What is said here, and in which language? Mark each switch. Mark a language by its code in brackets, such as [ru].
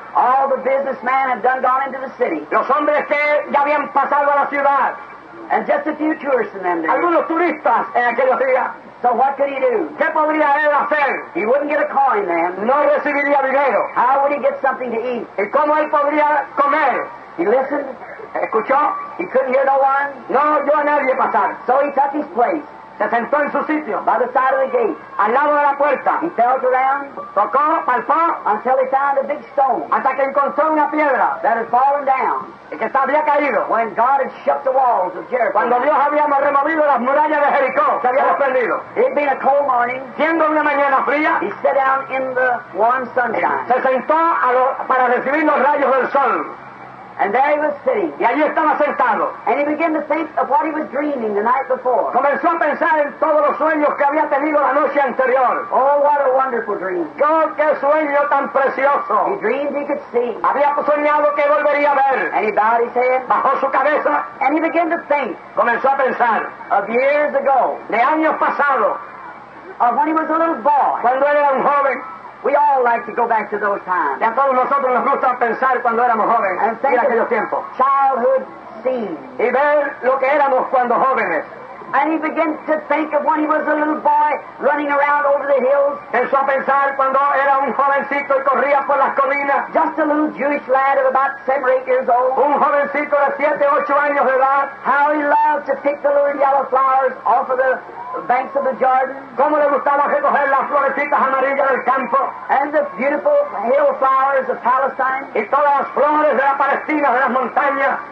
[en] All the businessmen had done gone into the city. [es] Los hombres que ya habían pasado a la ciudad. [en] And just a few tourists in them days. [es] Algunos turistas en aquellos días. [en] So what could he do? [es] ¿Qué podría él hacer? [en] He wouldn't get a coin then. [es] No recibiría dinero. [en] How would he get something to eat? [es] ¿Y cómo él podría comer? [en] He listened. [es] ¿Escuchó? [en] He couldn't hear no one. [es] No, yo a nadie pasar. [en] So he took his place. [es] Se sentó en su sitio. [en] By the side of the gate. [es] Al lado de la puerta. [en] He felt around. [es] Tocó, palpó. [en] Until he found a big stone. [es] Hasta que encontró una piedra. [en] That had fallen down. [es] Y que había caído. [en] When God had shut the walls of Jericho. [es] Cuando Dios había removido las murallas de Jericó. Se había desprendido. [en] It being a cold morning. [es] Siendo una mañana fría. [en] He sat down in the warm sunshine. [es] Se sentó para recibir los rayos del sol. [en] And there he was sitting. [es] Y allí estaba sentado. [en] And he began to think of what he was dreaming the night before. [es] Comenzó a pensar en todos los sueños que había tenido la noche anterior. [en] Oh, what a wonderful dream. [es] Oh, qué sueño tan precioso. [en] He dreamed he could see. [es] Había soñado que volvería a ver. [en] And he bowed his head. [es] Bajó su cabeza. [en] And he began to think. [es] Comenzó a pensar. [en] Of years ago. [es] De años pasados. [en] Of when he was a little boy. [es] Cuando él era un joven. [en] We all like to go back to those times. [es] Y a todos nosotros nos gusta pensar cuando éramos jóvenes y aquellos tiempos. [en] Childhood scene. [es] Y ver lo que éramos cuando jóvenes. [en] And he began to think of when he was a little boy running around over the hills. [es] Empezó a pensar cuando era un jovencito y corría por las colinas. [en] Just a little Jewish lad of about 7 or 8 years old. [es] Un jovencito de 7 o 8 años de edad. [en] How he loved to pick the little yellow flowers off of the banks of the Jordan. [es] Cómo le gustaba recoger las florecitas amarillas del campo. [en] And the beautiful hill flowers of Palestine. [es] Y todas las flores de la Palestina, de las montañas.